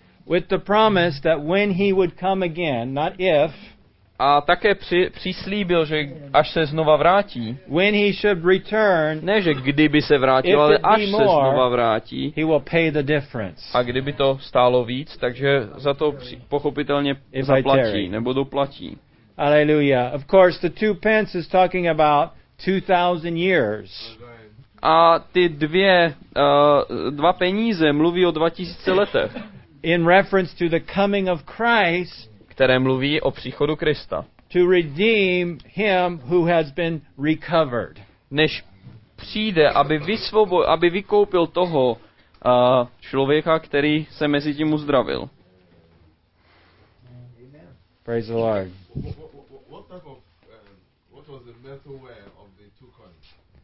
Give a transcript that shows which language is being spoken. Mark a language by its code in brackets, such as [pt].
[en] With the promise that when he would come again, not if. [cs] A také přislíbil, že až se znova vrátí, [en] when he should return, [cs] ne že kdyby se vrátil, ale až se znova vrátí, [en] he will pay the difference. [cs] A kdyby to stálo víc, takže za to pochopitelně [en] if [cs] zaplatí, nebo doplatí. [en] Hallelujah. Of course, the 2 pence is talking about 2,000 years. [cs] A ty dva peníze mluví o 2000 letech. [en] In reference to the coming of Christ, [cs] které mluví o příchodu Krista. [en] To redeem him who has been recovered. [cs] Než přijde, aby vykoupil toho člověka, který se mezi tím uzdravil. [en] Praise the Lord. What was the metal wear of the two coins?